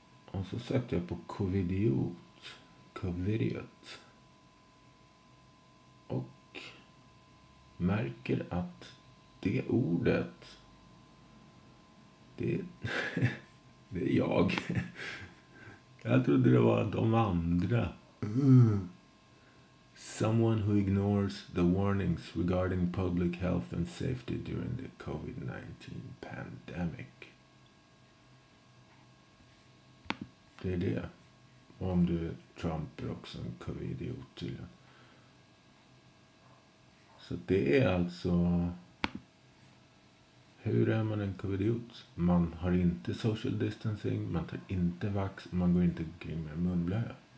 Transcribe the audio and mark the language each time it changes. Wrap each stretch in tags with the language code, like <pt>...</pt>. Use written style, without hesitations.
<sv>Och så sökte jag på covidiot. Covidiot. Och märker att det ordet, det är jag. Jag trodde det var de andra.</sv> <en>Someone who ignores the warnings regarding public health and safety during the COVID-19 pandemic.</en> <sv>Det är det. Om du är Trump också en covidiot tydligen. Så det är alltså... Hur är man en covidiot? Man har inte social distancing, man tar inte vax, man går inte kring med munblöja.</sv>